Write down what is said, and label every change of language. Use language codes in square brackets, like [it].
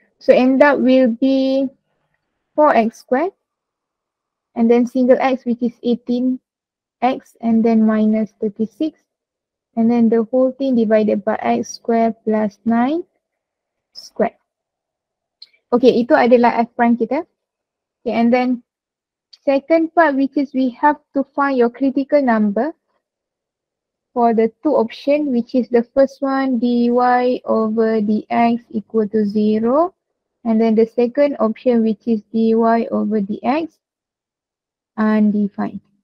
[en] So end up will be 4x squared and then single x, which is 18x, and then minus 36. And then the whole thing divided by x squared plus 9 squared. [ms] Okay, itu adalah f prime kita. [en] Okay, and then second part, which is we have to find your critical number for the two option, which is the first one, dy over dx equal to 0. And then the second option, which is dy over dx undefined.